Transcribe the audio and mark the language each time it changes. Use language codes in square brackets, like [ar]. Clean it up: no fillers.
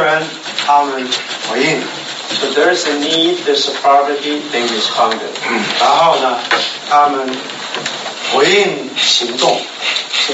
[zh] 听到这里有需要，这里有穷人，这里有肚子饿的人，他们回应。So [en] there is a need, there's a poverty, they responded. [zh] 然后呢，他们回应行动。So